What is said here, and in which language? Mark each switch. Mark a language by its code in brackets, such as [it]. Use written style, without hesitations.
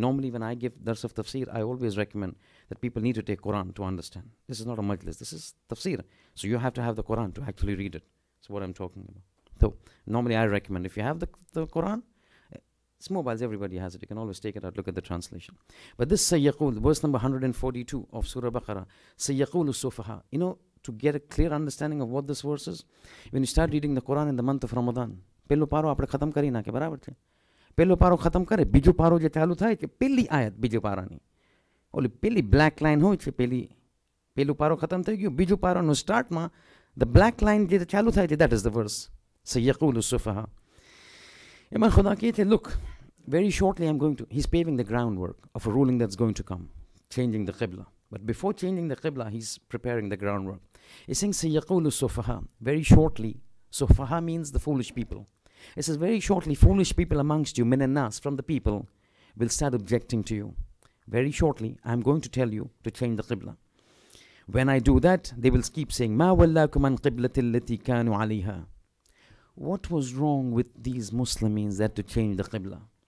[en] Normally when I give Dars of Tafsir, I always recommend that people need to take Quran to understand. This is not a majlis, this is Tafsir. So you have to have the Quran to actually read it. That's what I'm talking about. So normally I recommend if you have the Quran, it's mobiles, everybody has it. You can always take it out, look at the translation. But this Sayyakul, verse number 142 of Surah Baqarah, Sayyakulu Sufaha. You know, to get a clear understanding of what this verse is, when you start reading the Quran in the month of Ramadan, [gu] પેલો પારો આપણે ખતમ કરી નાખે બરાબર છે પેલો પારો ખતમ કરે બીજો પારો જે ચાલુ થાય છે પેલી આયત બીજો પારાની ઓલી પેલી બ્લેક લાઇન હોય છે પેલી પેલો પારો ખતમ થઈ ગયો બીજો પારોનો સ્ટાર્ટમાં ધ બ્લેક લાઇન જે ચાલુ થાય છે [en] that is the verse [gu] સયકુલુ સુફહા એમાં ખુદા કહે છે [en] Look very shortly I am going to he is paving the ground work of a ruling that is going to come changing the કિબલા but before changing the કિબલા he is preparing the ground work is saying સયકુલુ સુફહા very shortly Sufaha means the foolish people. It says very shortly, foolish people amongst you, min and nas, from the people, will start objecting to you. Very shortly, I'm going to tell you to change the Qibla. When I do that, they will keep saying, ma wallakum an qiblati allati kanu alayha. What was wrong with these Muslims that to change the Qibla?